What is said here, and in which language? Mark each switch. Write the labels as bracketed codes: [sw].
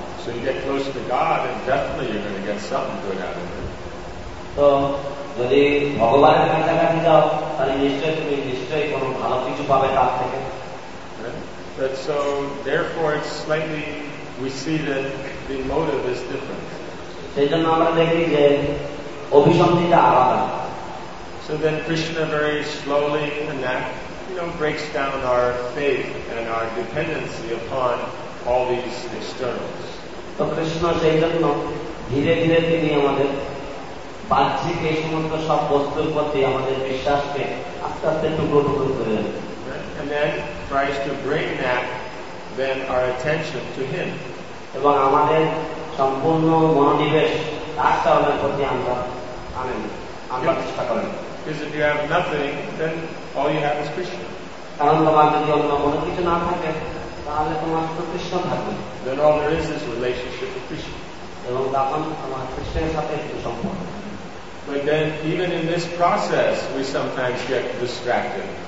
[en] So you get close to God and definitely you're going to get something good out of it. [bn] So যদি ভগবানের কাছে কাছে যাও তাহলে নিশ্চয়ই তুমি নিশ্চয়ই কোনো ভালো কিছু পাবে তার থেকে। [en] But so therefore it's slightly we see that the motive is different. [bn] সেই জন্য আমরা দেখি যে অভিসন্ধিটা আলাদা। [en] So then Krishna very slowly and that you know breaks down our faith and our dependency upon all these externals. [bn] তো কৃষ্ণ সেই জন্য ধীরে ধীরে তিনি আমাদের বাহ্যিক এই সমস্ত সব বস্তুর প্রতি আমাদের বিশ্বাসকে আস্তে আস্তে টুকরো টুকরো করে দেন। [en] And then tries to bring that then our attention to him. [bn] এবং আমাদের সম্পূর্ণ মনোনিবেশ তার কারণের প্রতি আমরা আনেন আমরা চেষ্টা করেন। [en] Because if you have nothing, then all you have is Krishna. [bn] কারণ তোমার যদি অন্য কোনো কিছু না থাকে তাহলে তোমার তো কৃষ্ণ থাকবে। [en] Then all there is relationship with Krishna. [bn] এবং তখন আমার কৃষ্ণের সাথে একটু সম্পর্ক। [en] But then even in this process we sometimes get distracted.